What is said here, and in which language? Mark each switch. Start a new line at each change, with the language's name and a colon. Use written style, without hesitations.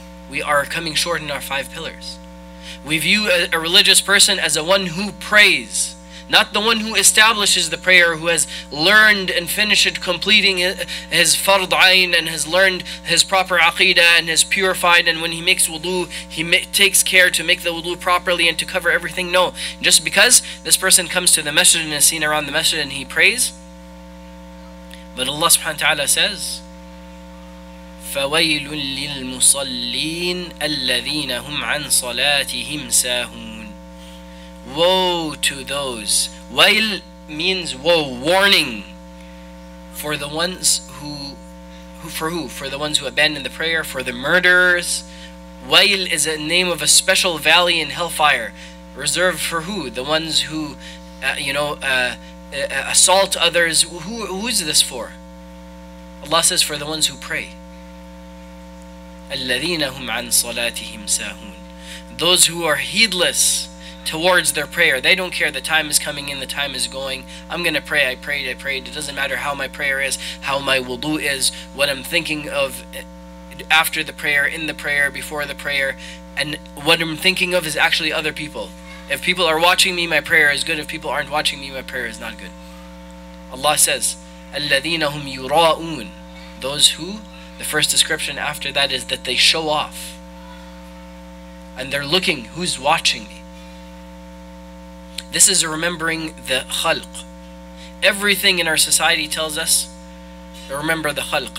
English: We are coming short in our five pillars. We view a religious person as the one who prays, not the one who establishes the prayer, who has learned and finished it, completing his fard ayn, and has learned his proper aqidah, and has purified, and when he makes wudu, he takes care to make the wudu properly and to cover everything. No, just because this person comes to the masjid and is seen around the masjid and he prays. But Allah subhanahu wa ta'ala says,
Arabic: فَوَيْلٌ لِلْمُصَلِّينَ الَّذِينَ هُمْ عَنْ صَلَاتِهِمْ سَاهُمْ.
English: Woe to those. Wail means woe, warning. For the ones who? For the ones who abandon the prayer, for the murderers. Wail is a name of a special valley in hellfire, reserved for who? The ones who, assault others. Who is this for? Allah says, for the ones who pray.
Arabic: الَّذِينَ هُمْ عَنْ صَلَاتِهِمْ سَاهُونَ.
English: Those who are heedless towards their prayer. They don't care. The time is coming in, the time is going. I'm going to pray. I prayed. It doesn't matter how my prayer is, how my wudu is, what I'm thinking of after the prayer, in the prayer, before the prayer. And what I'm thinking of is actually other people. If people are watching me, my prayer is good. If people aren't watching me, my prayer is not good. Allah says,
Arabic: الَّذِينَ هُمْ يُرَاءُونَ.
English: Those who, the first description after that is that they show off. And they're looking, who's watching me? This is remembering the khalq. Everything in our society tells us to remember the khalq.